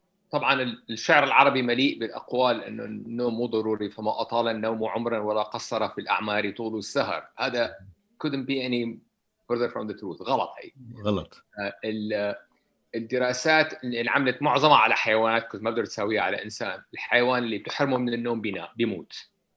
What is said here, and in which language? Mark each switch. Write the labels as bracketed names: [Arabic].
[Arabic] طبعا الشعر العربي مليء بالأقوال إنه النوم مو ضروري، فما أطال النوم عمرا ولا قصر في الأعمار طول السهر. هذا [English] couldn't be any further from the truth. [Arabic] غلط هي. غلط. الدراسات اللي عملت معظمها على حيوانات، كنت ما بقدر تساويها على إنسان. الحيوان اللي بتحرمه من النوم بيموت.